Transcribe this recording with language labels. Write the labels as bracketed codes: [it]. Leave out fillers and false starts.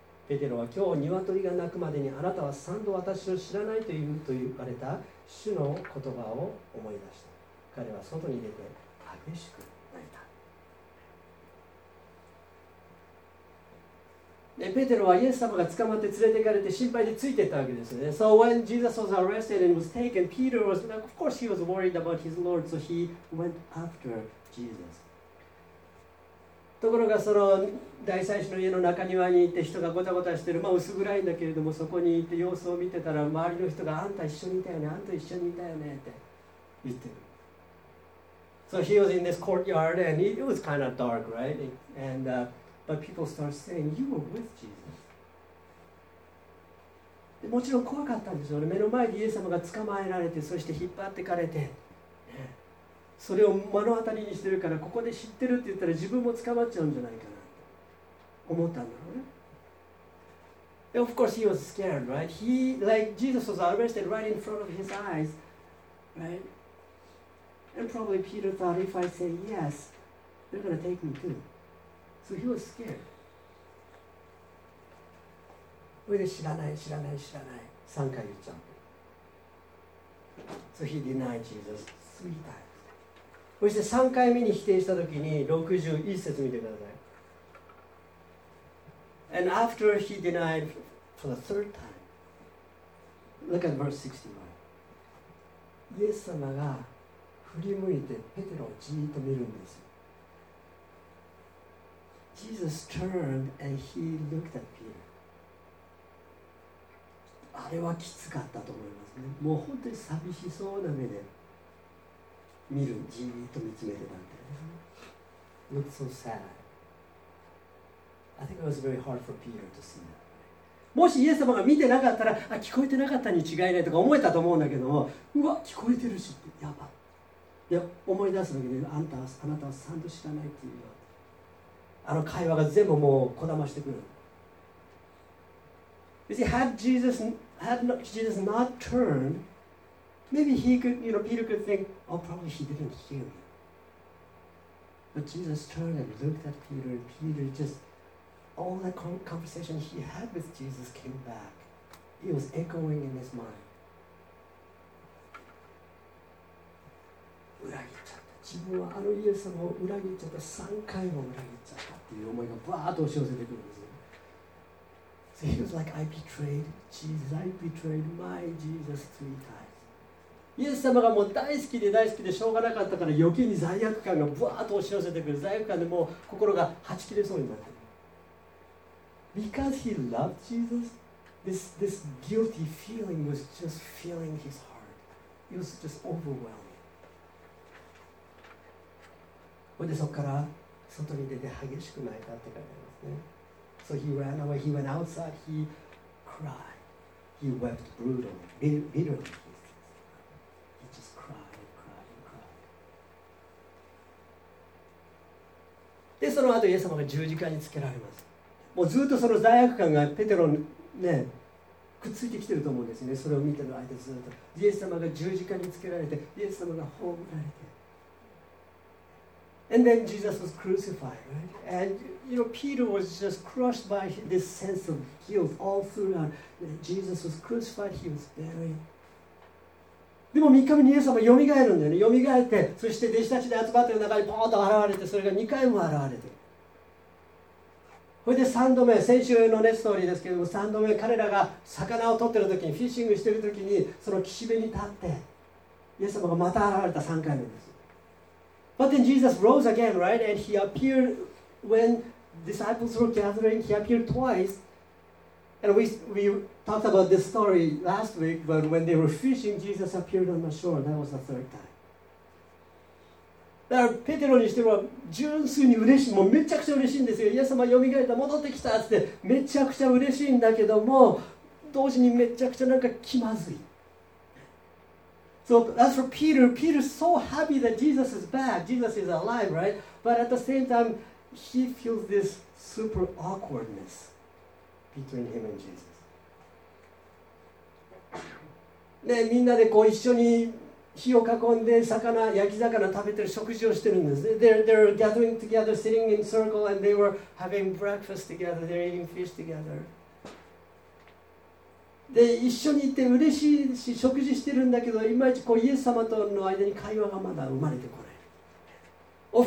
[ja] ペテロは、今日鶏が鳴くまでにあなたは三度私を知らないと言うと言われた主の言葉を思い出した。彼は外に出て激しく泣いた。でペテロはイエス様が捕まって連れて行かれて心配でついていったわけですよね。 [en] So when Jesus was arrested and was taken, Peter was, of course he was worried about his Lord, so he went after Jesus. [ja] ところがその大祭司の家の中庭に行って人がごたごたしてる、まあ薄暗いんだけれども、そこに行って様子を見てたら周りの人が、あんた一緒にいたよね、あんた一緒にいたよねって言ってる。 [en] So he was in this courtyard and it was kind of dark, right? And, But people start saying, you were with Jesus. [ja] でもちろん怖かったんですよ。目の前でイエス様が捕まえられて、そして引っ張ってかれて、それを目の当たりにしてるから、ここで知ってるって言ったら自分も捕まっちゃうんじゃないかなと思ったんだろうね。 [en] Of course he was scared, right? He, like, Jesus was arrested right in front of his eyes, right? And probably Peter thought, if I say yes, they're gonna take me too. So he was scared. [ja] それで知らない知らない知らない3回言っちゃう。 [en] So he denied Jesus three times. [ja] そして3回目に否定した時に61節見てください。 [en] And after he denied for the third time, look at verse 61. [ja] イエス様が振り向いてペテロをじーっと見るんですよ。 [en] Jesus turned and he looked at Peter. [ja] あれはきつかったと思いますね。もう本当に寂しそうな目で見る、じーっと見つめてたんで。 [en] Looked so sad. I think it was very hard for Peter to see that. [ja] もしイエス様が見てなかったら、あ、聞こえてなかったに違いないとか思えたと思うんだけども、うわ、聞こえてるしって、やば。いや、思い出すときに、あんたは、あなたはサンド知らないっていうよ。あの会話が全部もうこだましてくる。 [en] You see, had Jesus not turned, maybe he could, you know, Peter could think, oh, probably he didn't hear me. But Jesus turned and looked at Peter, and Peter just, all that conversation he had with Jesus came back. It was echoing in his mind. [ja] 裏切っちゃった。自分はあのイエス様を裏切っちゃった、3回も裏切っちゃったっていう思いがバーッと押し寄せてくるんですよ。 [en] So he was like, I betrayed Jesus, I betrayed my Jesus three times. [ja] イエス様がもう大好きで大好きでしょうがなかったから余計に罪悪感がバーッと押し寄せてくる。罪悪感でもう心がはち切れそうになってる。 [en] Because he loved Jesus, this guilty feeling was just filling his heart. It was just overwhelming. [ja] でそこから外に出て激しく泣いたって書いてありますね。 [en] So he ran away, he went outside, he cried. He wept brutally, bitterly. He just cried, cried, cried. [ja] で、その後イエス様が十字架につけられます。もうずっとその罪悪感がペテロね、くっついてきてると思うんですね。それを見てる間ずっと。イエス様が十字架につけられて、イエス様が葬られて。 [en] And then Jesus was crucified, right? And you know, Peter was just crushed by this sense of guilt all throughout. Jesus was crucified, he was buried. [ja] でも3日目にイエス様が蘇るんだよね。蘇って、そして弟子たちで集まっている中にポーッと現れて、それが2回も現れて。それで3度目、先週のね、ストーリーですけれども、3度目、彼らが魚を取っている時に、フィッシングしている時に、その岸辺に立って、イエス様がまた現れた3回目です。 [en] But then Jesus rose again, right? And he appeared when disciples were gathering, he appeared twice. And we talked about this story last week, but when they were fishing, Jesus appeared on the shore. That was the third time. [ja] だからペテロにしては純粋に嬉しい、もうめちゃくちゃ嬉しいんですよ。イエス様よみがえった、戻ってきたってめちゃくちゃ嬉しいんだけども、同時にめちゃくちゃなんか気まずい。 [en] So as for Peter, Peter's so happy that Jesus is back, Jesus is alive, right? But at the same time, he feels this super awkwardness. Between him and Jesus. [ja] ね、みんなでこう一緒に火を囲んで魚、焼き魚食べてる食事をしてるんです。 [en] They're gathering together, sitting in circle, and they were having breakfast together, they're eating fish together. [ja] で、一緒にいて嬉しいし食事してるんだけど、いまいちこうイエス様との間に会話がまだ生まれてこない。